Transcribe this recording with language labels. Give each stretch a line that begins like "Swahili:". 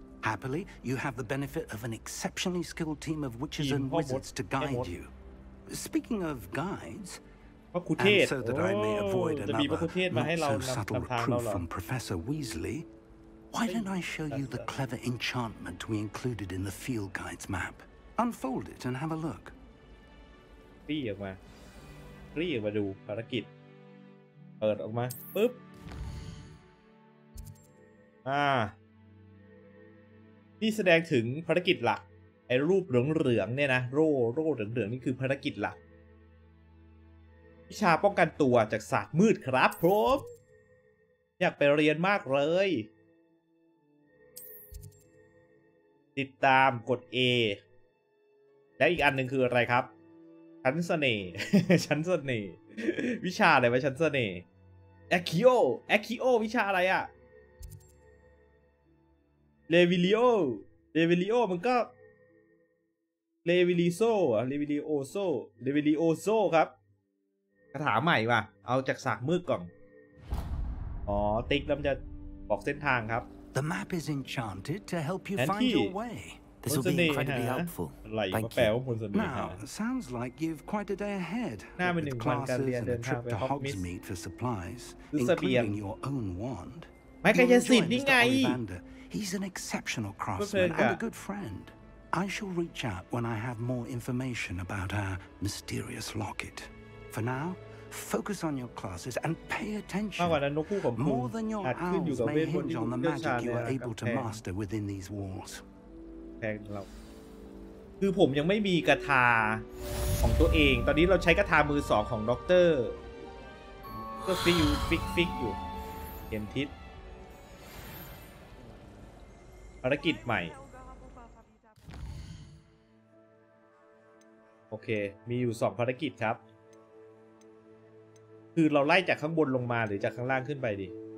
English: Happily, you have the benefit of an exceptionally skilled team of witches and wizards to guide you. Speaking of guides, and so that I may avoid another not so subtle reproof from Professor Weasley, why don't I show you the clever enchantment we included in the field guide's map? Unfold it and have a look.
Thai: รีบมาดูภารกิจเปิดออกมาปุ๊บนี่แสดงถึงภารกิจหลักไอ้รูปเหลืองๆเนี่ยนะโร่เหลืองๆนี่คือภารกิจหลักวิชาป้องกันตัวจากศาสตร์มืดครับผมอยากไปเรียนมากเลย ติดตามกด A และอีกอันหนึ่งคืออะไรครับชั้นเสน่ห์ชั้นเสน่ห์วิชาอะไรวะชั้นเสน่ห์แอคคิโอวิชาอะไรอะเลวิลิโอมันก็เลวิลิโอโซครับคาถาใหม่ว่ะเอาจากสากมืดก่อนอ๋อติ๊กมันจะบอกเส้นทางครับ
English: The map is enchanted to help you find your wayThis will be incredibly helpful. Thank you. Now, sounds like you've quite a day ahead. With classes and a trip to Hogsmeade for supplies, including your own wand. You'll join Mr. Ollivander. He's an exceptional craftsman and a good friend. I shall reach out when I have more information about our mysterious locket. For now,Focus on your classes and pay attention. More than your owls may hinge on the magic you are able to master within these walls.
Thai: คือผมยังไม่มีกระทาของตัวเองตอนนี้เราใช้กระทามือสองของด็อกเตอร์ก็ฟิกอยู่เห็นทิศภารกิจใหม่โอเคมีอยู่สองภารกิจครับคือเราไล่จากข้างบนลงมาหรือจากข้างล่างขึ้นไปดี